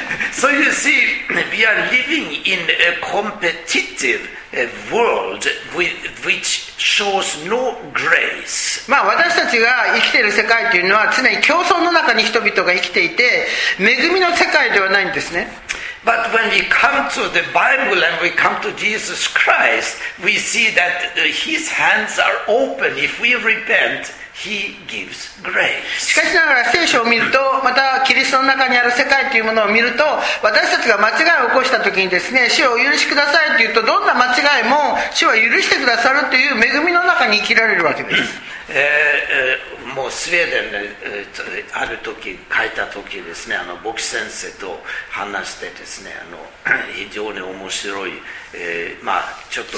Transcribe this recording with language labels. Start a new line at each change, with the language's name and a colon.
English: So you see, we are living in a competitive world which shows no grace.
Japanese: まあ私たちが生きている世界というのは常に競争の中に人々が生きていて、恵みの世界ではないんですね。
English: But when we come to the Bible and we come to Jesus Christ, we see that His hands are open if we repent. He gives grace.
Japanese: しかしながら聖書を見ると、またキリストの中にある世界というものを見ると、私たちが間違いを起こした時にですね、主をお許しくださいと言うと、どんな間違いも主は許してくださるという恵みの中に生きられるわけです。もうスウェーデンで、ある時書いた時ですね、あの牧師先生と話してですね、あの非常に面白い、まあちょっと